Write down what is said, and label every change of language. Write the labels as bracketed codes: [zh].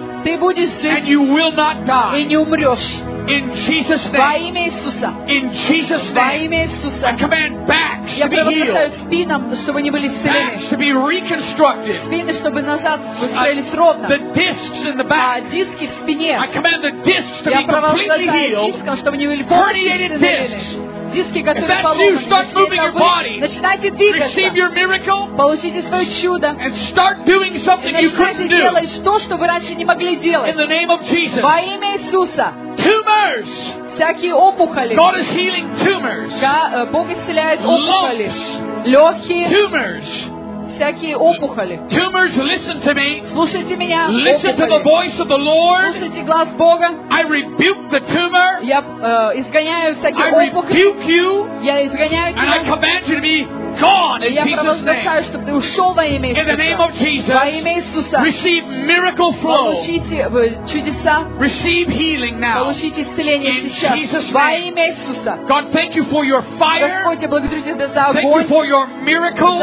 [ru] Ты будешь жить. [en] And you will not die. [ru] И не умрешь. [en] In Jesus' name. [ru] Во имя Иисуса. [en] In Jesus' name. [ru] Во имя Иисуса. [en] I command backs to be healed. [ru] Я провозглашаю спинам, чтобы они были исцелены. [en] Backs to be reconstructed. [ru] Спины, чтобы назад выстроились ровно. [en] The discs in the back. [ru] Диски в спине. [en] I command the discs to be completely healed. [ru] Дискам, чтобы они были полностью исцелены. Диски, которые поломаны. [en] If that's you, start moving your body. [ru] Начинайте двигаться. [en] Receive your miracle. [ru] Получите свое чудо. [en] And start doing something you couldn't do. [ru] И начинайте делать то, что вы раньше не могли делать. [en] In the name of Jesus. [ru] Во имя Иисуса. [en] Tumors. [ru] Всякие опухоли. [en] God is healing tumors. [ru] Бог исцеляет опухоли. Легкие. Tumors. Всякие опухоли. [en] Tumors, listen to me. [ru] Слушайте меня. [en] Listen [ru] опухоли. [en] To the voice of the Lord. [ru] Слушайте глаз Бога. [en] I rebuke the tumor. [ru] Я изгоняю всякие [en] I [ru] опухоли. [en] I rebuke you. [ru] Я изгоняю тебя. [en] And I command you to be gone in Jesus' name. [ru] Я провозглашаю, чтобы ты ушел во имя Иисуса. [en] In the name of Jesus. [ru] Во имя Иисуса. [en] Receive miracle flow. [ru] Получите чудеса. [en] Receive healing now. [ru] Получите исцеление сейчас. Во имя Иисуса. [en] God, thank you for your fire. [ru] Господь, я благодарю тебя за огонь. [en] Thank you for your miracles.